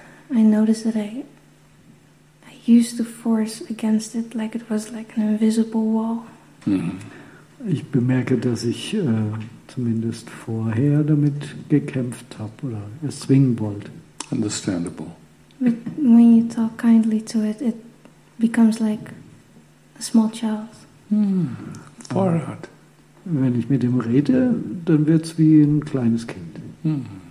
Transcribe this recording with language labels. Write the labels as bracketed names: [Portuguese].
[English] I noticed that I used the force against it like it was like an invisible wall. [German] Ich bemerke, dass ich zumindest vorher damit gekämpft habe oder erzwingen wollte. [English] Understandable. But when you talk kindly to it, it becomes like a small child. Far out. [German] Wenn ich mit ihm rede, dann wird es wie ein kleines Kind.